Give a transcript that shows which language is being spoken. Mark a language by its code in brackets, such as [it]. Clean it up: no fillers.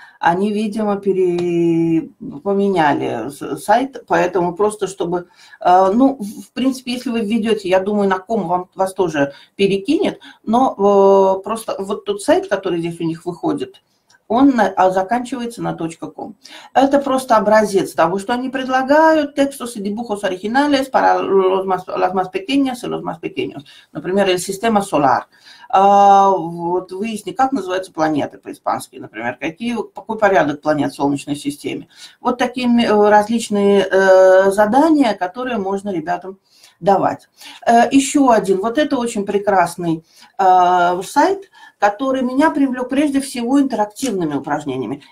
[ru] Они, видимо, поменяли сайт, поэтому просто чтобы... Ну, в принципе, если вы введете, я думаю, на ком вас тоже перекинет, но просто вот тот сайт, который здесь у них выходит, он заканчивается на .com. Это просто образец того, что они предлагают. [es] Textos y dibujos originales para las más pequeñas y los más pequeños. [ru] Например, [es] el sistema solar. [ru] Вот выясни, как называются планеты по-испански, например, какой порядок планет в Солнечной системе. Вот такие различные задания, которые можно ребятам давать. Еще один, вот это очень прекрасный сайт, который меня привлек прежде всего интерактивными упражнениями.